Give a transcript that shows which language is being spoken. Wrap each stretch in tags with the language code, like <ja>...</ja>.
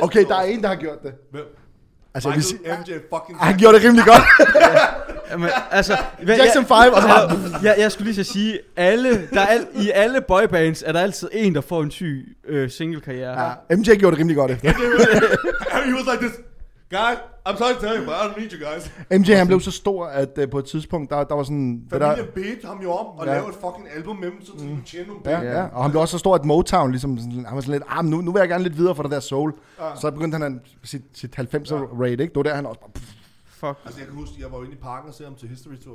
<da>Okay, der er en, der har gjort det. Hvem? Altså, Michael hvis, MJ fucking... Han gjorde det rimelig godt. Jamen, altså... Hvad, Jackson 5, og så har... jeg skulle lige så sige, alle, der al, i alle boybands er der altid en, der får en syg single-karriere. Ja, MJ gjorde det rimelig godt efter.</da> <en>He was like this... God, I'm sorry to tell you, but I don't need you guys.</en> <da>MJ, han blev så stor, at på et tidspunkt, der var sådan... Familie bedte ham jo om at lave et fucking album med ham, så han kunne tjene nogle penge. Ja, og han blev også så stor, at Motown ligesom... Han var sådan lidt, nu vil jeg gerne lidt videre for det der soul. Ja. Så begyndte han sit 90'er-raid, ikke? Det var der, han også bare... Pff. Fuck. Altså, jeg kan huske, jeg var inde i parken og se ham til History Tour.</da>